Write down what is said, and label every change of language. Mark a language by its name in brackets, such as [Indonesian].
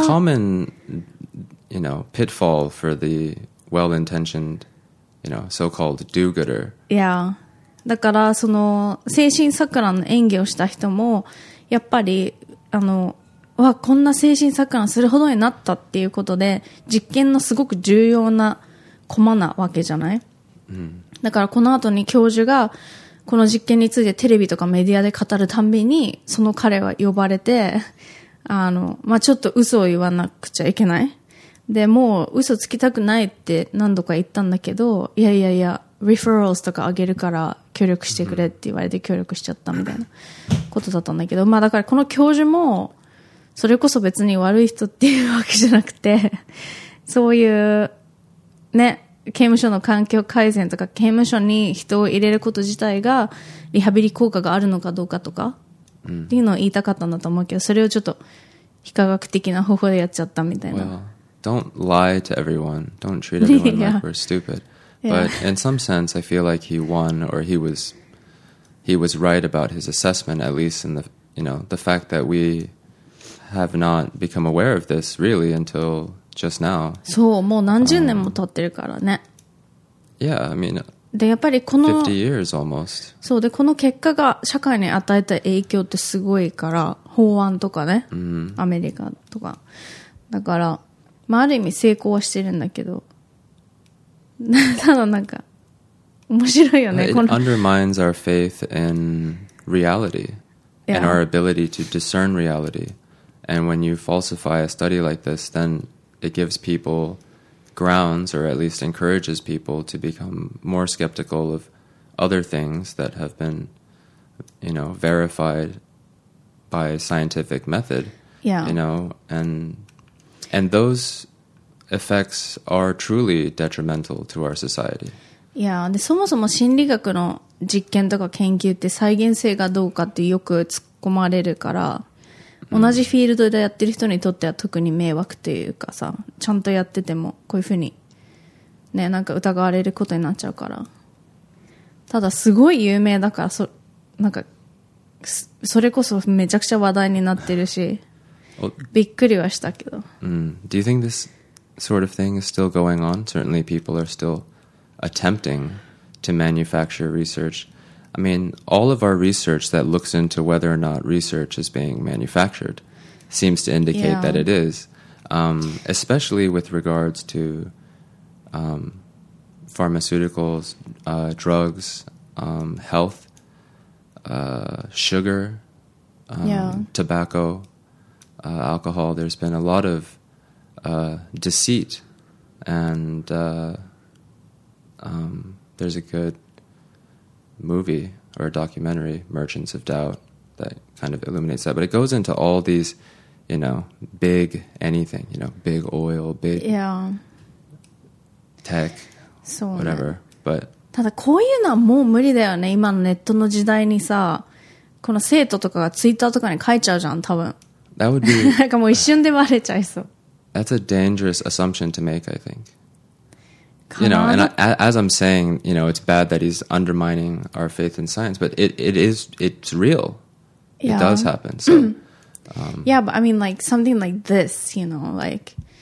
[English] It's a common, you know, pitfall for the well-intentioned, you know, so-called do-gooder. Yeah. [Japanese] だからその精神錯乱の演技をした人もやっぱりあのわこんな精神錯乱するほどになったっていうことで実験のすごく重要なコマなわけじゃない、うん、だからこの後に教授がこの実験についてテレビとかメディアで語るたびにその彼は呼ばれてあの、まあ、ちょっと嘘を言わなくちゃいけない、でもう嘘つきたくないって何度か言ったんだけど、いやいやいやreferrals とかあげるから協力してくれって言われて協力しちゃったみたいなことだったんだけど、まあだからこの教授もそれこそ別に悪い人っていうわけじゃなくて、そういうね刑務所の環境改善とか刑務所に人を入れること自体がリハビリ効果があるのかどうかとかっていうのを言いたかったんだと思うけど、それをちょっと非科学的な方法でやっちゃったみたいな。 [English] Well, don't lie to everyone. Don't treat everyone like we're stupid. But in some sense, I feel like he won, or he was right about his assessment, at least in the, you know, the fact that we have not become aware of this really until just now. [Japanese] そう、もう何十年も経ってるからね。 [English] Yeah, I mean, [Japanese] でやっぱりこの [English] 50 years almost. [Japanese] そうでこの結果が社会に与えた影響ってすごいから法案とかね、mm-hmm. アメリカとかだから、まあ、ある意味成功はしてるんだけどただなんか面白いよね、 [English] It、この undermines our faith in reality、yeah. and our ability to discern reality and when you falsify a study like this then it gives people grounds or at least encourages people to become more skeptical of other things that have been you know verified by scientific method yeah you know and those effects are truly detrimental to our society [Japanese] yeah でそもそも心理学の実験とか研究って再現性がどうかってよく突っ込まれるから同じフィールドでやってる人にとっては特に迷惑というかさちゃんとやっててもこういうふうにねなんか疑われることになっちゃうからただすごい有名だから なんかそれこそめちゃくちゃ話題になってるしびっくりはしたけど、 mm. [English] Do you think this sort of thing is still going on? Certainly people are still attempting to manufacture researchI mean, all of our research that looks into whether or not research is being manufactured seems to indicate yeah. that it is, especially with regards to pharmaceuticals, drugs, health, sugar, tobacco, alcohol. There's been a lot of deceit and there's a good... movie or a documentary Merchants of Doubt that kind of illuminates that but it goes into all these you know big anything you know big oil big yeah tech so whatever、 [Japanese] ね、 [English] but [Japanese] ただこういうのはもう無理だよね今のネットの時代にさこの生徒とかがツイッターとかに書いちゃうじゃん多分 [English] that would be [Japanese] なんかもう一瞬でバレちゃいそう [English] that's a dangerous assumption to make I thinkYou know, and as I'm saying, you know, it's bad that he's undermining our faith in science, but it's real. Yeah. It does happen. So, yeah, but I mean, like something like this, you know, like.